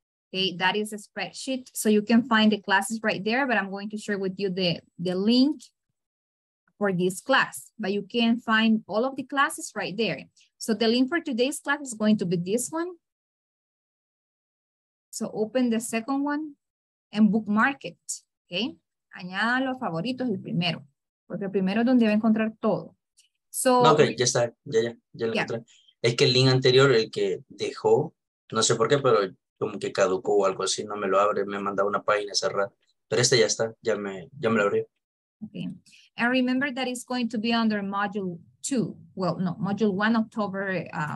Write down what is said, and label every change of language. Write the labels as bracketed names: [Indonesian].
[English] Okay, that is a spreadsheet. So you can find the classes right there, but I'm going to share with you the link for this class, but you can find all of the classes right there. So the link for today's class is going to be this one. So open the second one and bookmark it, okay? [Spanish] Añada los favoritos, el primero, porque el primero es donde va a encontrar todo. [English] So- [Spanish] no, okay, ya está, ya lo encontré. Es que el link anterior, el que dejó, no sé por qué, pero como que caducó o algo así, no me lo abre, me manda una página cerrada, pero este ya está, ya me lo abrió. [English] Okay. And remember that it's going to be under module 2. Well, no, module 1, October